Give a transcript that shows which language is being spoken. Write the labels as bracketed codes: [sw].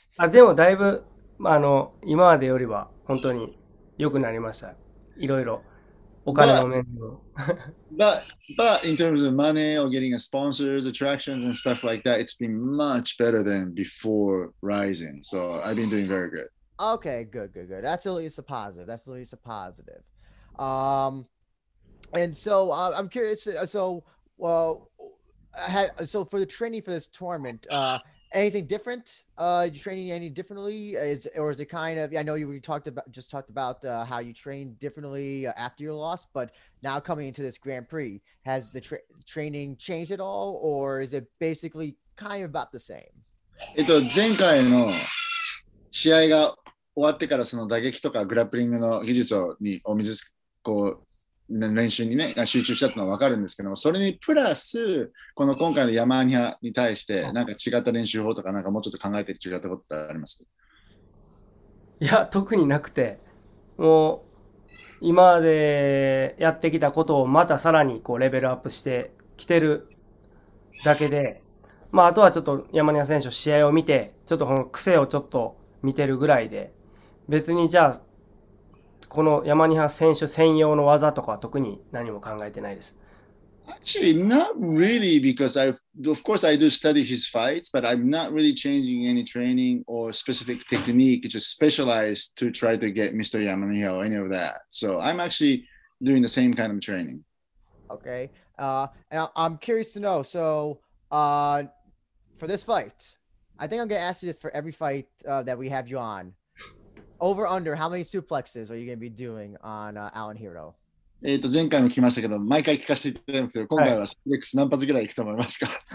[ja] あ、でもだいぶ、今までよりは本当に良くなりました。いろいろお金の面も。 [en] But in terms of money or getting a sponsors, attractions and stuff like that, it's been much better than before Rising. So I've been doing very good. Okay, good. That's at least a positive. That's at least a positive. And so I'm curious. So well, ha so for the training for this tournament, anything different? You training any differently? Is it kind of? I know you talked about just talked about how you trained differently after your loss, but now coming into this Grand Prix, has the training changed at all, or is it basically kind of about the same? [ja] 前回の試合が終わってから、その打撃とかグラップリングの技術をにお水こう練習にね集中したってのは分かるんですけども、それにプラス、この今回の山際に対してなんか違った練習法とか、なんかもうちょっと考えて違ったことってあります？いや、特になくて、もう今までやってきたことをまたさらにこうレベルアップしてきてるだけで、まああとはちょっと山根選手の試合を見て、ちょっとこの癖をちょっと見てるぐらいで、別にじゃあこの山根選手専用の技とかは特に何も考えてないです。 [en] Actually, not really, because of course I do study his fights, but I'm not really changing any training or specific technique, just specialized to try to get Mr. Yamanhill or any of that. So I'm actually doing the same kind of training. Okay. And I'm curious to know. So, for this fight, I think I'm gonna ask you this for every fight that we have you on. Over under, how many suplexes are you gonna be doing on Alan Hero? [ja] 前回も聞きましたけど、毎回聞かせていただくけど、今回はスプレックス何発ぐらいいくと思いますか？